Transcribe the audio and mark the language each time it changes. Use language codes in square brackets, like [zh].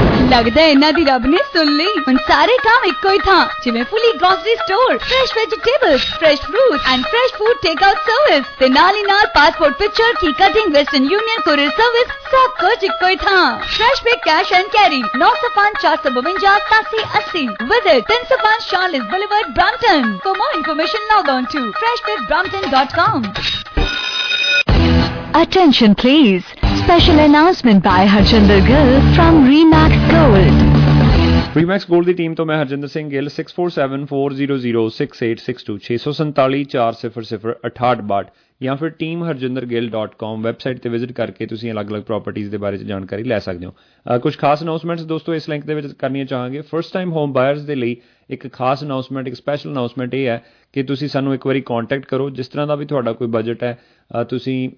[pa] ਲੱਗਦਾ ਇਹਨਾਂ ਦੀ ਰੱਬ ਨੇ ਸੁਣ ਲਈ ਹੁਣ ਸਾਰੇ ਕੰਮ ਇੱਕੋ ਹੀ ਥਾਂ ਜਿਵੇਂ ਫੁੱਲੀ grocery store [en] fresh vegetables fresh fruit and fresh food take out service [pa] ਤੇ ਨਾਲ ਹੀ ਨਾਲ ਪਾਸਪੋਰਟ ਪਿਕਚਰ ਕੀ cutting western union courier service ਸਭ ਕੁਝ ਇੱਕੋ ਹੀ ਥਾਂ fresh pay cash and carry 905-457-8780 visit 305 Charles boulevard Brampton [en] for more information log on to [pa] freshpitbrampton.com [en] Attention please, special announcement by Harjinder Gill from Remax Gold. [pa] Remax Gold ਦੀ team ਤੋਂ ਮੈਂ ਹਰਜਿੰਦਰ ਸਿੰਘ ਗਿੱਲ 647-400-6862 647-400-6862 ਜਾਂ ਫਿਰ teamharjindergill.com website ਤੇ visit ਕਰਕੇ ਤੁਸੀਂ ਅਲੱਗ ਅਲੱਗ properties ਦੇ ਬਾਰੇ 'ਚ ਜਾਣਕਾਰੀ ਲੈ ਸਕਦੇ ਹੋ ਕੁਛ ਖਾਸ ਅਨਾਊਂਸਮੈਂਟਸ ਦੋਸਤੋ ਇਸ ਲਿੰਕ ਦੇ ਵਿੱਚ ਕਰਨੀਆਂ ਚਾਹਾਂਗੇ [en] first time home buyers [pa] ਦੇ ਲਈ ਇੱਕ ਖਾਸ ਅਨਾਊਂਸਮੈਂਟ ਇੱਕ ਸਪੈਸ਼ਲ ਅਨਾਊਂਸਮੈਂਟ ਇਹ ਹੈ ਕਿ ਤੁਸੀਂ ਸਾਨੂੰ ਇੱਕ ਵਾਰੀ ਕੰਟੈਕਟ ਕਰੋ ਜਿਸ ਤਰ੍ਹਾਂ ਦਾ ਵੀ ਤੁਹਾਡਾ ਕੋਈ ਬਜਟ ਹੈ ਤੁਸੀਂ